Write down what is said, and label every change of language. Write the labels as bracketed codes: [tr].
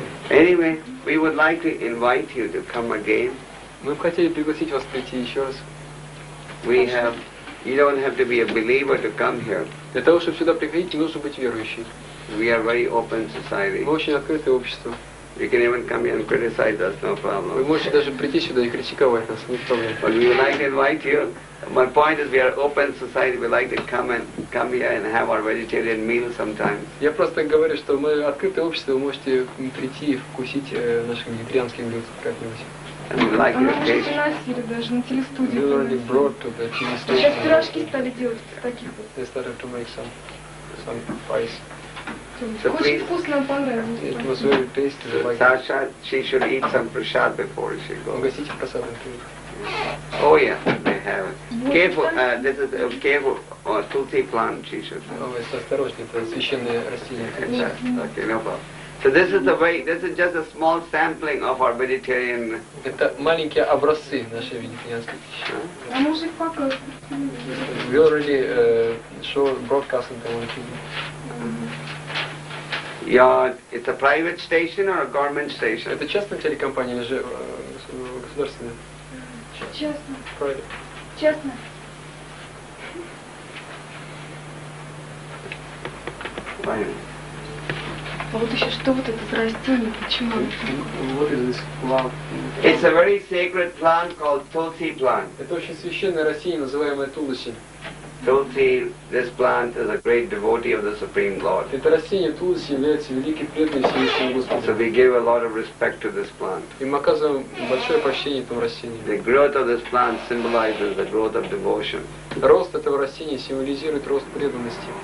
[en] Anyway, we would like to invite you to come again. [ru] Мы бы хотели пригласить вас прийти еще раз. [en] We have, you don't have to be a believer to come here. [ru] Для того, чтобы сюда приходить, нужно быть верующим. [en] We are very open society. [ru] Мы очень открытое общество. [en] You can even come here and criticize us, no problem. [ru] Вы можете даже прийти сюда и критиковать нас, не проблема. [en] But we would like to invite you. My point is, we are open society. We like to come here and have our vegetarian meal sometimes. [ru] Я просто говорю, что мы открытое общество, вы можете прийти и вкусить наши вегетарианские блюда как-нибудь. [en] And we like your taste. [ru] Она уже приносили даже на телестудию. [en] You already brought to the телестудию. [ru] Сейчас пирожки стали делать из таких вот. [en] They started to make some pies. [ru] Очень вкусно, нам понравилось. [en] It was very tasty. Sasha, she should eat some prasad before she goes. [ru] Угостите просадом. [en] Oh yeah. have. Careful, this is careful, or tulsi plant, she should say. Okay, no problem. So this is the way, this is just a small sampling of our vegetarian... [ru] Это маленькие образцы нашей вегетарианской пищи. А может пока... [en] We already show broadcast on television. Yeah, it's a private station or a government station? [ru] Это частная телекомпания или же государственная? Частная. [en] Private. [ru] Частная. А вот еще что вот это за растение, почему оно такое? [en] What is this plant? It's a very sacred plant called tulsi plant. [ru] Это очень священное растение, называемое тулуси. [en] Tulsi, this plant is a great devotee of the Supreme Lord. [ru] Это растение тулуси является великим преданным Всевышнего Господа. [en] So we give a lot of respect to this plant. [ru] И мы оказываем большое почтение этому растению. [en] The growth of this plant symbolizes the growth of devotion. [ru] Рост этого растения символизирует рост преданности.